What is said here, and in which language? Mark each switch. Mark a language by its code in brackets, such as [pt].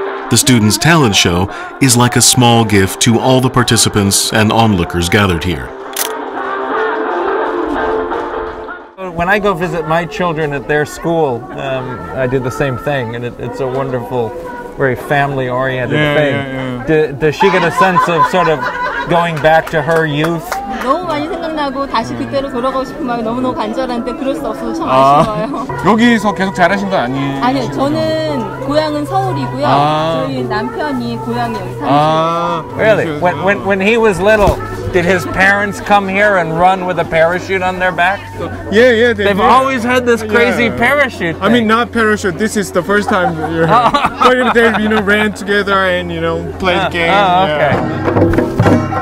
[en] The students' talent show is like a small gift to all the participants and onlookers gathered here. when I go visit my children at their school, I do the same thing, and it's a wonderful, very family-oriented thing. Yeah, yeah. Does she get a sense of sort of going back to her youth? [ko] 너무 많이 생각나고 다시 그때로 돌아가고 싶은 마음이 너무너무 간절한데 그럴 수 없어서 참 아쉬워요. 여기서 계속 잘하신 거 아니에요? 아니요, 저는 고향은 서울이고요. 저희 남편이 고향이 여기 [en] Really? When he was little, did his parents come here and run with a parachute on their back? Yeah, yeah. They've always had this crazy parachute thing. I mean, not parachute. This is the first time you're here. But they, you know, ran together and, you know, played the game. Oh, okay.